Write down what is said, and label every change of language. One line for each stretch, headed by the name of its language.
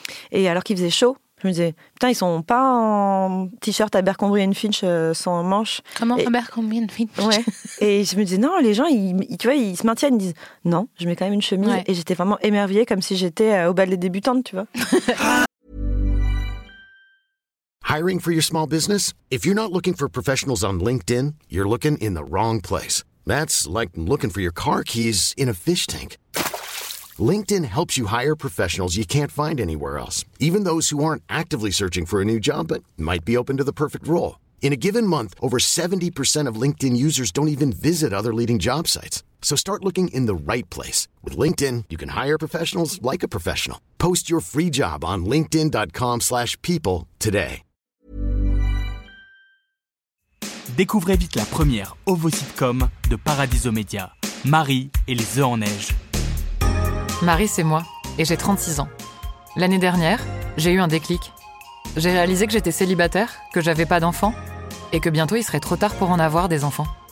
French: Et alors qu'il faisait chaud, je me disais, putain, ils ne sont pas en t-shirt Abercrombie & Finch sans manches. Comment Abercrombie & Finch? Ouais. Et je me disais, non, les gens, tu vois, ils se maintiennent, ils disent, non, je mets quand même une chemise. Ouais. Et j'étais vraiment émerveillée, comme si j'étais au bal des débutantes, tu vois.
English: Hiring for your small business? If you're not looking for professionals on LinkedIn, you're looking in the wrong place. That's like looking for your car keys in a fish tank. LinkedIn helps you hire professionals you can't find anywhere else, even those who aren't actively searching for a new job but might be open to the perfect role. In a given month, over 70% of LinkedIn users don't even visit other leading job sites. So start looking in the right place. With LinkedIn, you can hire professionals like a professional. Post your free job on linkedin.com/people today.
French: Découvrez vite la première OVO sitcom de Paradiso Media, Marie et les œufs en neige. Marie, c'est moi, et j'ai 36 ans. L'année dernière, j'ai eu un déclic. J'ai réalisé que j'étais célibataire, que j'avais pas d'enfants, et que bientôt il serait trop tard pour en avoir des enfants.